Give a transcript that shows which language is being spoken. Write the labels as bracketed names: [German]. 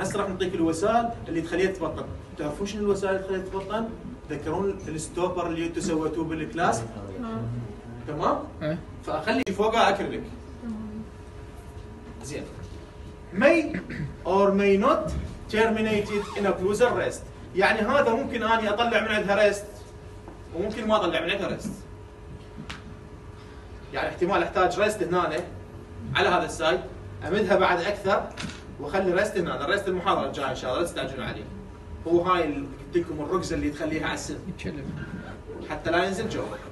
[Arabic] هسه راح نعطيك الوسائل اللي تخليها تتبطن. تعرفون شنو الوسائل اللي تخليها تتبطن؟ تذكرون الستوبر اللي انتم سويتوه بالكلاس؟ تمام؟ فأخلي فوقها أكريليك. [English] May or may not terminated in occlusal rest. [Arabic] يعني هذا ممكن أنا أطلع من عندها rest وممكن ما أطلع من عندها rest. يعني احتمال أحتاج rest هنا على هذا السايد، أمدها بعد أكثر وأخلي rest هنا. rest المحاضرة الجاية إن شاء الله تستعجلون عليه. هو هاي قلتلكم الركزة اللي تخليها على السن حتى لا ينزل جوا.